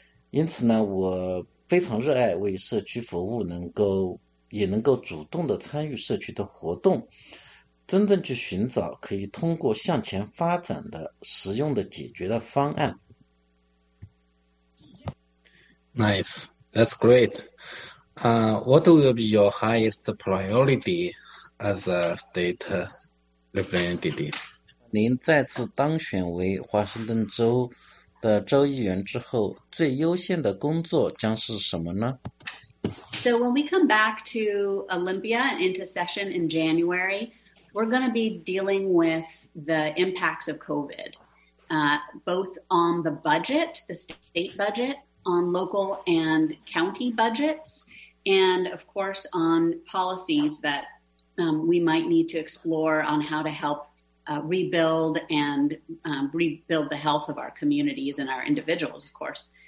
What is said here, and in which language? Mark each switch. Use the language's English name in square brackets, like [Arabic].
[Chinese] 因此呢，我非常热爱为社区服务，能够主动的参与社区的活动，真正去寻找可以通过向前发展的实用的解决的方案。 [English] Nice, that's great. What will be your highest priority as a state representative? [Chinese] 您再次当选为华盛顿州的州议员之后，最优先的工作将是什么呢？ [English] So when we come back to Olympia and into session in January, we're going to be dealing with the impacts of COVID, both on the budget, the state budget, on local and county budgets, and of course on policies that we might need to explore on how to help rebuild and rebuild the health of our communities and our individuals, of course.